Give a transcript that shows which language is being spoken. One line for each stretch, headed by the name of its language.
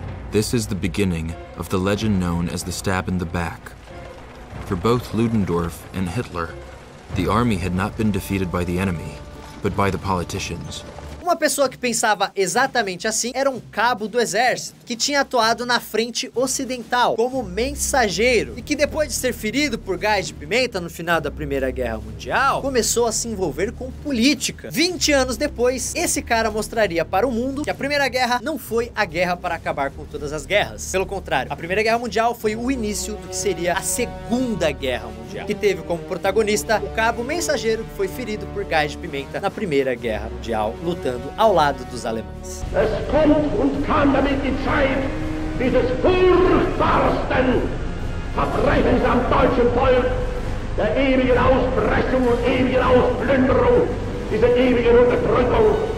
English: This is the beginning of the legend known as the stab in the back. For both Ludendorff and Hitler, the army had not been defeated by the enemy, but by the politicians.
Portuguese: Uma pessoa que pensava exatamente assim era um cabo do exército, que tinha atuado na frente ocidental como mensageiro e que depois de ser ferido por gás de pimenta no final da Primeira Guerra Mundial, começou a se envolver com política. 20 anos depois, esse cara mostraria para o mundo que a Primeira Guerra não foi a guerra para acabar com todas as guerras. Pelo contrário, a Primeira Guerra Mundial foi o início do que seria a Segunda Guerra Mundial, que teve como protagonista o cabo mensageiro que foi ferido por gás de pimenta na Primeira Guerra Mundial, lutando ao lado dos alemães.
German: Es kommt und kam damit die Zeit, dieses furchtbarsten Verbrechens am deutschen Volk, der ewigen Auspressung und ewigen Ausplünderung, dieser ewigen Unterdrückung.